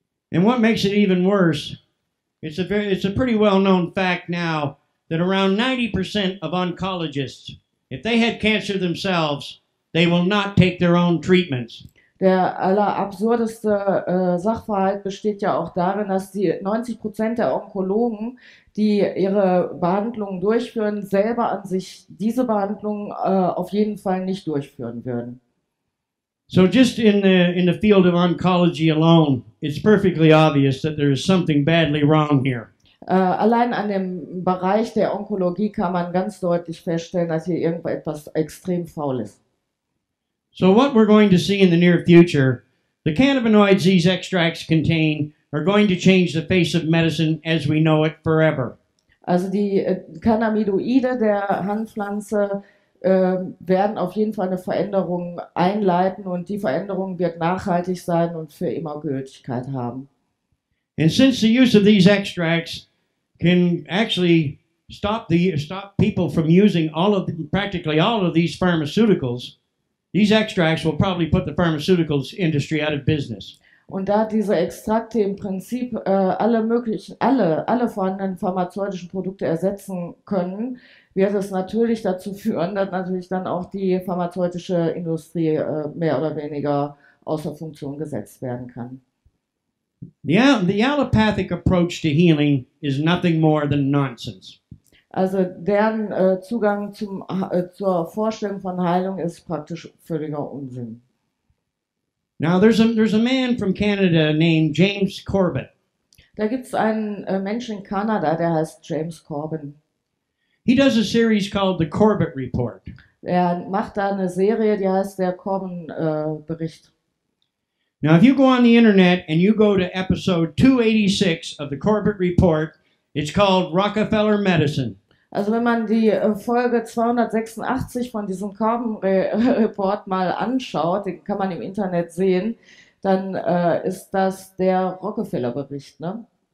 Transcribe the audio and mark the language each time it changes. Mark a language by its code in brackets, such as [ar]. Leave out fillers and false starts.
[en] And what makes it even worse, it's a pretty well-known fact now that around 90% of oncologists, if they had cancer themselves, they will not take their own treatments. [de] Der allerabsurdeste Sachverhalt besteht ja auch darin, dass die 90% der Onkologen, die ihre Behandlungen durchführen, selber an sich diese Behandlungen auf jeden Fall nicht durchführen würden. [en] So just in the field of oncology alone, it's perfectly obvious that there is something badly wrong here. [de] Allein an dem Bereich der Onkologie kann man ganz deutlich feststellen, dass hier irgendetwas extrem faul ist. [en] So what we're going to see in the near future, the cannabinoids these extracts contain are going to change the face of medicine as we know it forever. [de] Also die Cannabinoide der Hanfpflanze werden auf jeden Fall eine Veränderung einleiten und die Veränderung wird nachhaltig sein und für immer Gültigkeit haben. [en] And since the use of these extracts can actually stop people from using practically all of these pharmaceuticals, these extracts will probably put the pharmaceuticals industry out of business. [de] Und da diese Extrakte im Prinzip alle vorhandenen pharmazeutischen Produkte ersetzen können, wird es natürlich dazu führen, dass natürlich dann auch die pharmazeutische Industrie mehr oder weniger außer Funktion gesetzt werden kann. [en] The allopathic approach to healing is nothing more than nonsense. [de] Also deren Zugang zur Vorstellung von Heilung ist praktisch völliger Unsinn. [en] Now there's a man from Canada named James Corbett. [de] Da gibt's einen Menschen in Kanada, der heißt James Corbett. [en] He does a series called The Corbett Report. [de] Er macht da eine Serie, die heißt der Corbett Bericht. [en] Now if you go on the internet and you go to episode 286 of The Corbett Report, it's called Rockefeller Medicine. [de] Also wenn man die Folge 286 von diesem Korben-Report mal anschaut, den kann man im Internet sehen, dann ist das der Rockefeller-Bericht, ne?